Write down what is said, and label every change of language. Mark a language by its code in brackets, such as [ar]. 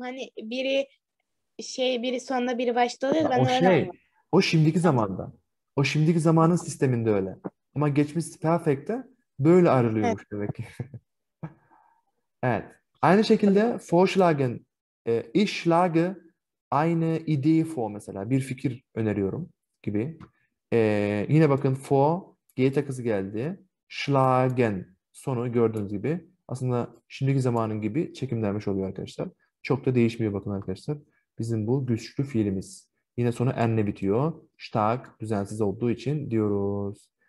[tr] Hani biri şey, biri sonunda, biri başta oluyor. Ben o şey. Anladım. O şimdiki zamanda. O şimdiki zamanın sisteminde öyle. Ama geçmiş perfect'te böyle ayrılıyormuş demek ki. Evet. Aynı şekilde [de] vorschlagen, ich schlage eine Idee vor [tr] mesela. Bir fikir öneriyorum gibi. Yine bakın vor, G takısı geldi. Schlagen sonu gördüğünüz gibi. Aslında şimdiki zamanın gibi çekimlenmiş oluyor arkadaşlar. Çok da değişmiyor bakın arkadaşlar. Bizim bu güçlü fiilimiz. Yine sonu enle bitiyor. Stark düzensiz olduğu için diyoruz.